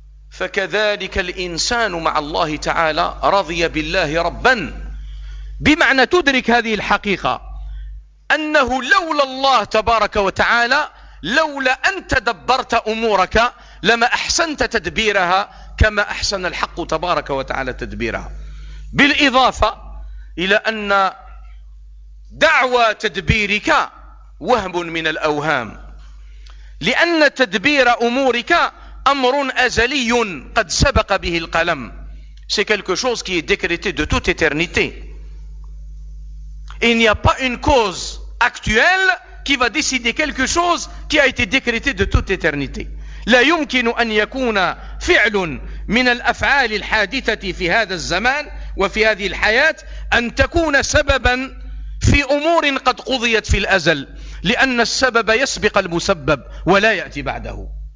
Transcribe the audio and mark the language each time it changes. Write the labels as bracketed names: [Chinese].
[Arabic] فكذلك الإنسان مع الله تعالى رضي بالله ربا، بمعنى تدرك هذه الحقيقة أنه لولا الله تبارك وتعالى، لولا أن تدبرت أمورك لما أحسنت تدبيرها كما أحسن الحق تبارك وتعالى تدبيرها. بالإضافة إلى أن دعوى تدبيرك وهم من الأوهام، لأن تدبير أمورك أمر أزلي قد سبق به القلم. [French] C'est quelque chose qui est décrété de toute éternité. Il n'y a pas une cause actuelle qui va décider quelque chose qui a été décrété de toute éternité. [Arabic] لا يمكن أن يكون فعل من الأفعال الحادثة في هذا الزمان وفي هذه الحياة أن تكون سببا في أمور قد قضيت في الأزل، لأن السبب يسبق المسبب ولا يأتي بعده.